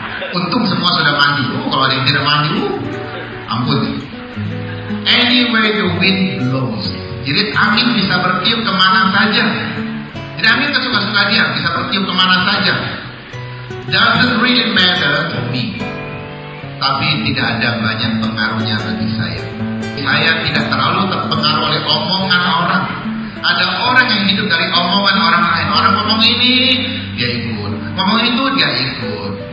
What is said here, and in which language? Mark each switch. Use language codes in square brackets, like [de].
[id] Untung semua sudah mandi. Oh, kalau ada yang tidak mandi, ampun. [en] Anywhere the wind blows. [id] Jadi angin bisa bertiup kemana saja. Jadi angin kesuka-suka dia bisa bertiup kemana saja. [en] Doesn't really matter to me. [id] Tapi tidak ada banyak pengaruhnya bagi saya. Saya tidak terlalu terpengaruh oleh omongan orang. Ada orang yang hidup dari omongan orang lain. Orang ngomong ini, dia ikut. Ngomong itu, dia ikut.